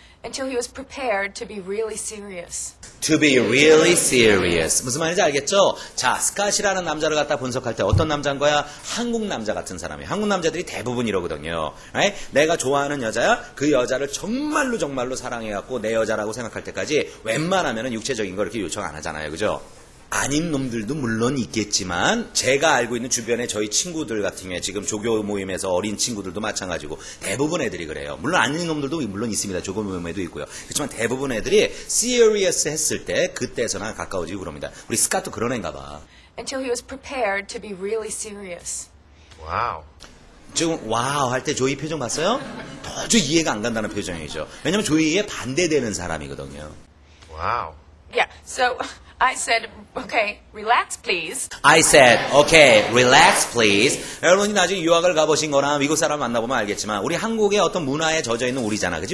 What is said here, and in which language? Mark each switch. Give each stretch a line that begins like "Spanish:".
English: Until he was prepared to be really serious. To be really serious.
Korean: 무슨 말인지 알겠죠? 자, 스캇이라는 남자를 갖다 분석할 때 어떤 남자인 거야? 한국 남자 같은 사람이에요. 한국 남자들이 대부분 이러거든요. Right? 내가 좋아하는 여자야? 그 여자를 정말로 정말로 사랑해갖고 내 여자라고 생각할 때까지 웬만하면은 육체적인 걸 이렇게 요청 안 하잖아요. 그죠? 아닌 놈들도 물론 있겠지만 제가 알고 있는 주변에 저희 친구들 같은 경우에 지금 조교 모임에서 어린 친구들도 마찬가지고 대부분 애들이 그래요. 물론 아닌 놈들도 물론 있습니다. 조교 모임에도 있고요. 그렇지만 대부분 애들이 serious 했을 때 그때서나 가까워지고 그럽니다. 우리 스캇도 그런 애인가 봐.
English: Until he was prepared to be really serious.
Korean: 와우. 지금 와우 할 때 조이 표정 봤어요? 도저히 이해가 안 간다는 표정이죠. 왜냐면 조이에 반대되는 사람이거든요. 와우.
English: Yeah, so... I said, okay, relax, please. I said, okay, relax, please.
Korean: 여러분이 나중에 유학을 가보신 거나 미국 사람 만나보면 알겠지만 우리 한국의 어떤 문화에 젖어있는 우리잖아. 그치?